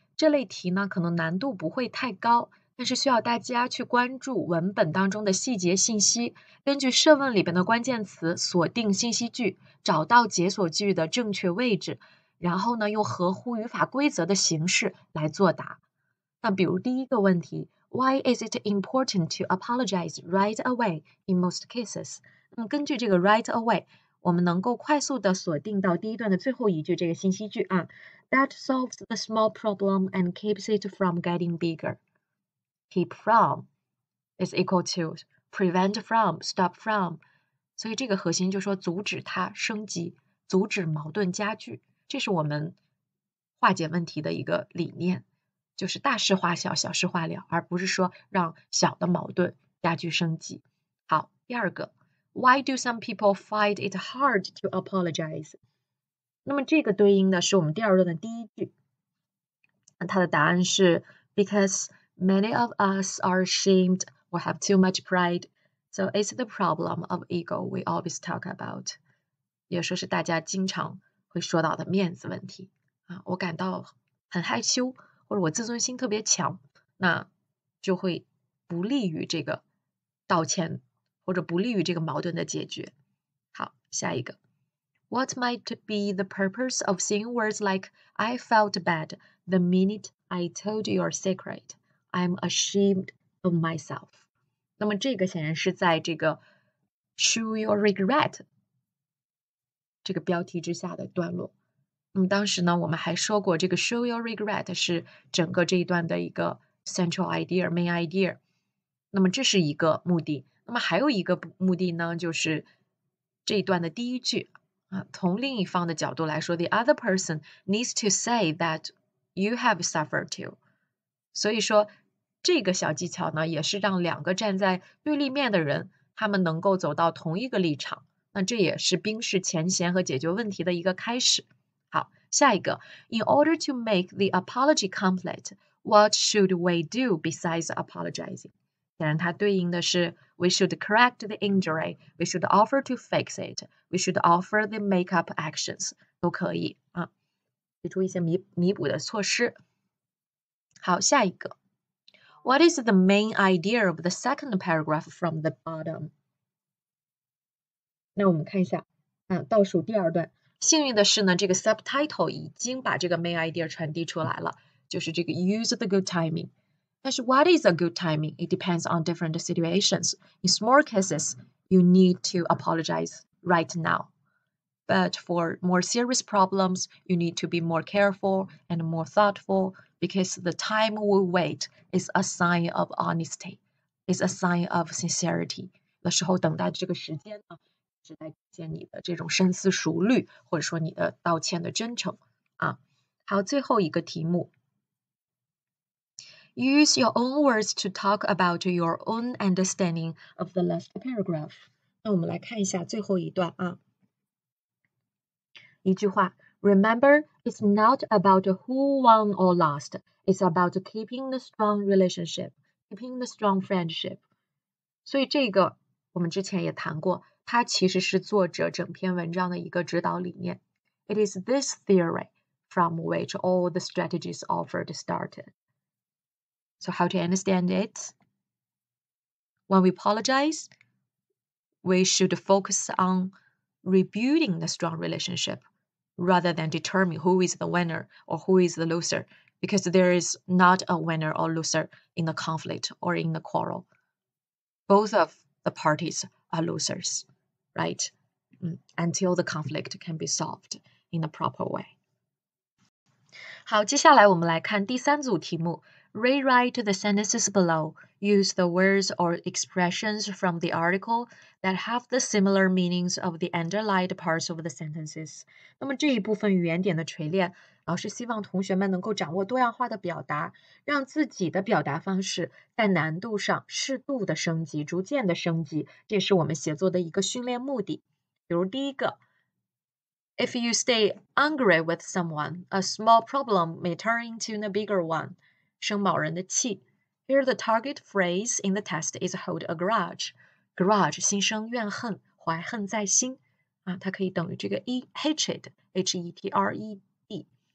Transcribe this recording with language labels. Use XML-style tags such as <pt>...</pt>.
<zh>这类题呢可能难度不会太高，但是需要大家去关注文本当中的细节信息，根据设问里边的关键词锁定信息句，找到解锁句的正确位置，然后呢用合乎语法规则的形式来作答。那比如第一个问题，</zh> <en>Why is it important to apologize right away in most cases?</en> <zh>根据这个</zh> <en>right away,</en> <zh>我们能够快速的锁定到第一段的最后一句这个信息句啊。</zh> <en>That solves the small problem and keeps it from getting bigger. Keep from is equal to prevent from, stop from.</en> <zh>所以这个核心就说阻止它升级，阻止矛盾加剧，这是我们化解问题的一个理念，就是大事化小，小事化了，而不是说让小的矛盾加剧升级。好，第二个，</zh> <en>Why do some people find it hard to apologize?</en> <zh>那么这个对应的是我们第二段的第一句，它的答案是</zh> <en>Because many of us are ashamed or have too much pride, so it's the problem of ego we always talk about.</en> <zh>也说是大家经常会说到的面子问题啊，我感到很害羞，或者我自尊心特别强，那就会不利于这个道歉，或者不利于这个矛盾的解决。好，下一个。</zh> <en>What might be the purpose of saying words like I felt bad the minute I told your secret? I'm ashamed of myself.</en> <zh>那么这个显然是在这个 Show your regret 这个标题之下的段落。那么当时呢，我们还说过这个 Show your regret 是整个这一段的一个 central idea, main idea。那么这是一个目的。那么还有一个目的呢，就是这一段的第一句。从另一方的角度来说</zh> <en>,the other person needs to say that you have suffered too.</en> <zh>所以说这个小技巧呢也是让两个站在对立面的人他们能够走到同一个立场。那这也是冰释前嫌和解决问题的一个开始。好，下一个。</zh> <en>In order to make the apology complete, what should we do besides apologizing?</en> <zh>显然它对应的是</zh> <en>we should correct the injury, we should offer to fix it, we should offer the makeup actions,</en> <zh>都可以啊，提出一些弥补的措施。好，下一个。</zh> <en>What is the main idea of the second paragraph from the bottom?</en> <zh>那我们看一下，倒数第二段。幸运的是呢，这个 subtitle 已经把这个 main idea 传递出来了，就是这个</zh> <en>use the good timing。</en> <zh>但是</zh> <en>what is a good timing? It depends on different situations. In small cases, you need to apologize right now. But for more serious problems, you need to be more careful and more thoughtful because the time we wait is a sign of honesty, is a sign of sincerity.</en> <zh>那时候等待这个时间呢，是在体现你的这种深思熟虑，或者说你的道歉的真诚啊。好，最后一个题目。</zh> <en>Use your own words to talk about your own understanding of the last paragraph.</en> <zh>那我们来看一下最后一段啊。一句话</zh> <en>,Remember, it's not about who won or lost. It's about keeping the strong relationship, keeping the strong friendship.</en> <zh>所以这个我们之前也谈过，它其实是作者整篇文章的一个指导理念。</zh> <en>It is this theory from which all the strategies offered started. So how to understand it? When we apologize, we should focus on rebuilding the strong relationship rather than determine who is the winner or who is the loser because there is not a winner or loser in the conflict or in the quarrel. Both of the parties are losers, right? Until the conflict can be solved in a proper way.</en> <zh>好，接下来我们来看第三组题目。</zh> <en>Rewrite the sentences below. Use the words or expressions from the article that have the similar meanings of the underlined parts of the sentences.</en> <zh>那么这一部分语言点的锤炼，老师希望同学们能够掌握多样化的表达，让自己的表达方式在难度上适度的升级，逐渐的升级。这是我们写作的一个训练目的。比如第一个。</zh> <en>If you stay angry with someone, a small problem may turn into a bigger one.</en> <zh>生某人的气。</zh> <en>Here the target phrase in the test is hold a grudge.</en> <zh>Grudge, 心生怨恨，怀恨在心。啊，它可以等于这个 hatred, H-E-T-R-E-D。</zh>